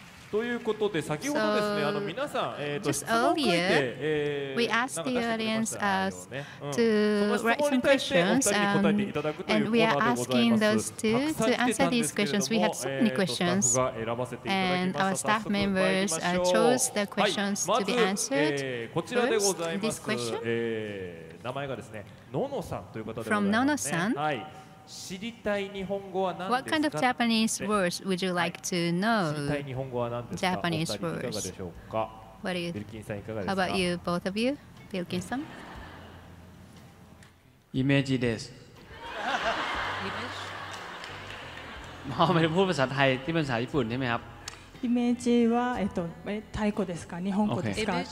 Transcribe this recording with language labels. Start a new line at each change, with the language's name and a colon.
Japanese: ーということで、先ほどですね、皆さん、質問を書いて、
English: we asked the audience to write some questions, and we are asking those two to answer these questions. We had so many questions, and our staff members chose the questions to be answered. First, this question.
Japanese: 名前がですね、ののさんという方です。
English: From Nono-san.
Japanese: はい。知りたい日本語は何ですか
English: What kind of Japanese words would you like to know?
Japanese: 知りたい日本語は何ですか
English: Japanese words.
Japanese: いかがでしょうか
English: What are you? How about you, both of you? Bilkin-san?
Japanese: イメージです。イメージ？
Thai: ไม่ได้พูดภาษาไทยที่เป็นภาษาญี่ปุ่นใช่ไหมครับ
Japanese: イメージは泰語ですか日本語ですか